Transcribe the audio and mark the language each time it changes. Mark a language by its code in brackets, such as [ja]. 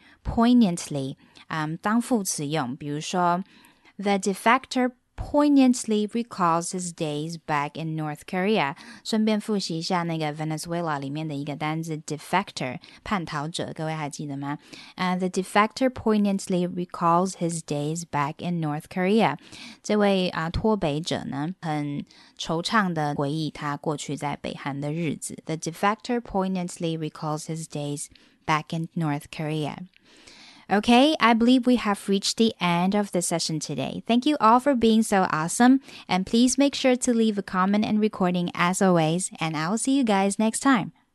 [en] Poignantly, [zh] 当副词用，比如说 [en] The defector poignantly recalls his days back in North Korea. [zh] 顺便复习一下那个 Venezuela 里面的一个单字 defector, 叛逃者，各位还记得吗？ [en] The defector poignantly recalls his days back in North Korea. [zh] 这位脱北者呢，很惆怅地回忆他过去在北韩的日子。 [en] The defector poignantly recalls his days back in North Korea. Okay, I believe we have reached the end of the session today. Thank you all for being so awesome. And please make sure to leave a comment and recording as always. And I'll see you guys next time.